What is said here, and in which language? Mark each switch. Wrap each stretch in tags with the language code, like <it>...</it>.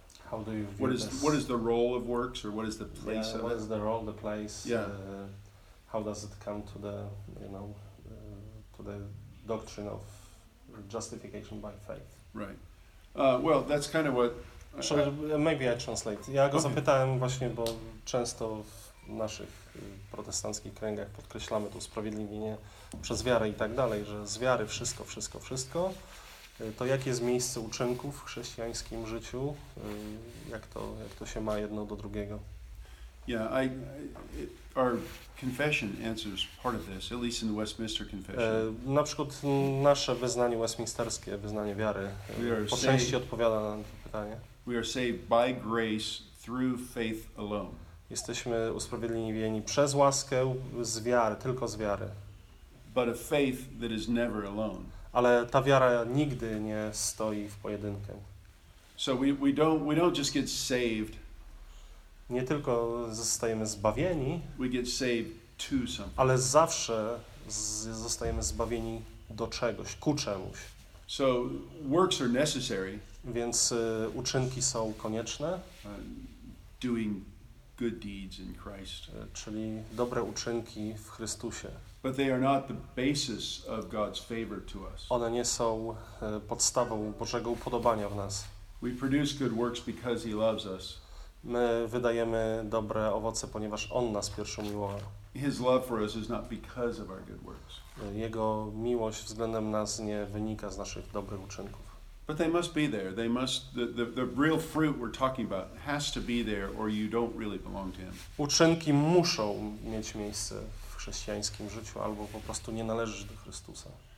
<en>How do you view What is the role of works, or what is the place yeah, of what it? Is the role, the place? Yeah. How does it come to the, you know, to the doctrine of justification by faith? Right. Well, that's kind of what. Maybe I translate.</en> <pl>Ja go zapytałem właśnie, bo często w naszych protestanckich kręgach podkreślamy to usprawiedliwienie przez wiarę i tak dalej, że z wiary wszystko. To jakie jest miejsce uczynków w chrześcijańskim życiu? Jak to się ma jedno do drugiego?</pl> <en>Yeah, our confession answers part of this, at least in the Westminster Confession.</en> <pl>Na przykład nasze wyznanie westminsterskie, wyznanie wiary, po części odpowiada na to pytanie.</pl> <en>We are saved by grace through faith alone.</en> <pl>Jesteśmy usprawiedliwieni przez łaskę z wiary, tylko z wiary.</pl> <en>But a faith that is never alone.</en> <pl>Ale ta wiara nigdy nie stoi w pojedynkę.</pl> <en>So we don't just get saved.</en> <pl>Nie tylko zostajemy zbawieni,</pl> <en>we get saved to something.</en> <pl>Ale zawsze zostajemy zbawieni do czegoś, ku czemuś.</pl> <en>So works are necessary.</en> <pl>Więc uczynki są konieczne.</pl> <en>Doing good deeds in Christ.</en> <pl>Czyli dobre uczynki w Chrystusie.</pl> <en>But they are not the basis of God's favor to us.</en> <pl>One nie są podstawą Bożego upodobania w nas.</pl> <en>We produce good works because he loves us.</en> <pl>My wydajemy dobre owoce, ponieważ on nas pierwszy umiłował.</pl> <en>His love for us is not because of our good works.</en> <pl>Jego miłość względem nas nie wynika z naszych dobrych uczynków.</pl> <en>But they must be there. They must the real fruit we're talking about has to be there or you don't really belong to him.</en> <pl>Uczynki muszą mieć miejsce. W chrześcijańskim życiu, albo po prostu nie należysz do Chrystusa.</pl>